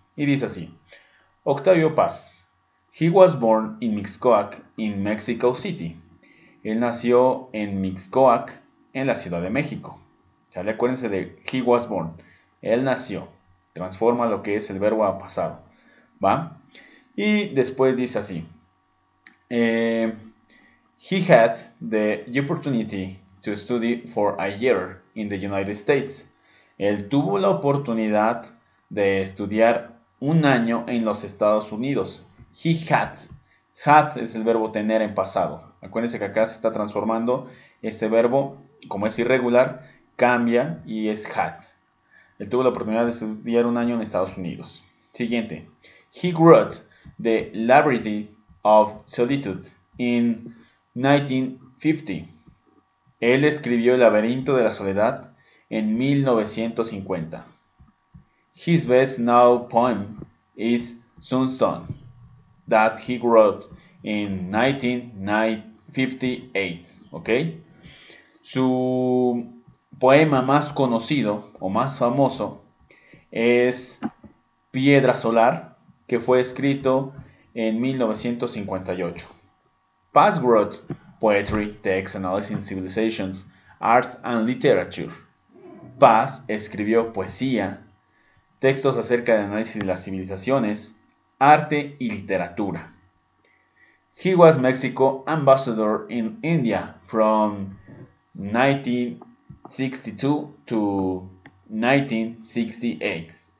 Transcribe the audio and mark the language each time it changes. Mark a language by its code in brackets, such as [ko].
[en] Y dice así, Octavio Paz, he was born in Mixcoac, in Mexico City. [es] Él nació en Mixcoac, en la Ciudad de México. ¿Sale? Acuérdense de he was born, él nació. Transforma lo que es el verbo a pasado. ¿Va? [en] Y después dice así, he had the opportunity to study for a year in the United States. [es] Él tuvo la oportunidad de estudiar un año en los Estados Unidos. He had es el verbo tener en pasado. Acuérdense que acá se está transformando este verbo, como es irregular, cambia y es had. Él tuvo la oportunidad de estudiar un año en Estados Unidos. Siguiente. [en] He wrote The Liberty of Solitude in 1950. [es] Él escribió El laberinto de la soledad en 1950. [en] His best known poem is Sunstone, that he wrote in 1958. ¿Ok? [es] Su poema más conocido o más famoso es Piedra Solar, que fue escrito en 1958. [en] Paz wrote Poetry, Text, Analyzing Civilizations, Art and Literature. [es] Paz escribió poesía, textos acerca del análisis de las civilizaciones, arte y literatura. [en] He was Mexico ambassador in India from 1962 to 1968.